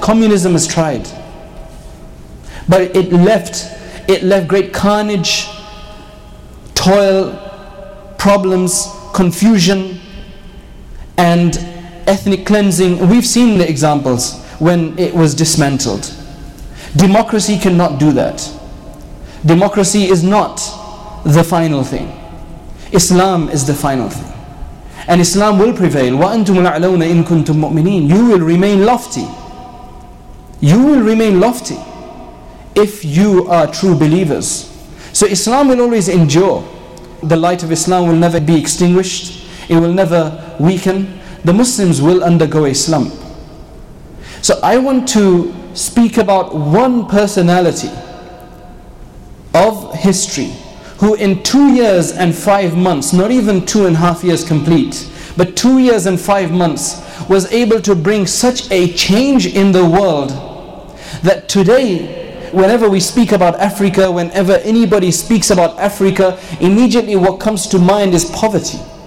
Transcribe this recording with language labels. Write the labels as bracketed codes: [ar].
[en] Communism has tried. But it left great carnage, toil, problems, confusion, and ethnic cleansing. We've seen the examples when it was dismantled. Democracy cannot do that. Democracy is not the final thing. Islam is the final thing. And Islam will prevail. [ar] وَأَنْتُمْ الْعَلَوْنَ إِن كُنْتُمْ مُؤْمِنِينَ [en] You will remain lofty. You will remain lofty if you are true believers. So Islam will always endure. The light of Islam will never be extinguished. It will never weaken. The Muslims will undergo a slump. So I want to speak about one personality of history who in 2 years and 5 months, not even 2.5 years complete, but 2 years and 5 months, was able to bring such a change in the world that today, whenever we speak about Africa, whenever anybody speaks about Africa, immediately what comes to mind is poverty.